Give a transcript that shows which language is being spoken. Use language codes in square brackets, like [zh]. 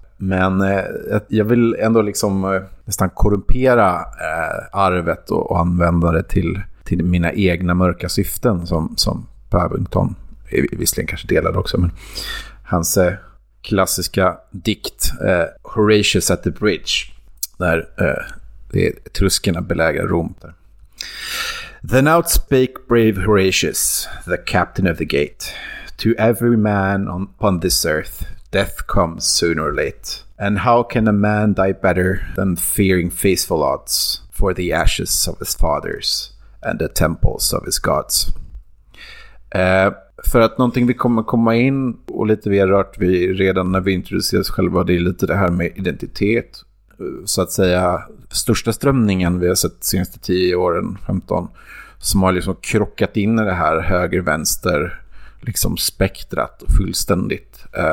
[sv] Men jag vill ändå liksom nästan korrumpera arvet och använda det till mina egna mörka syften som Babington visserligen kanske delade också. Men hans klassiska dikt Horatius at the Bridge, där etruskerna belägrar Rom där. [en] Then out spake brave Horatius, the captain of the gate. To every man upon this earth, death comes sooner or late. And how can a man die better than fearing faithful odds for the ashes of his fathers and the temples of his gods? [sv] För att någonting vi kommer komma in och lite vi har rört vid redan när vi introducerade oss själva, det är lite det här med identitet. Så att säga, största strömningen vi har sett de senaste 10 åren, 15, som har liksom krockat in i det här höger-vänster liksom spektrat fullständigt.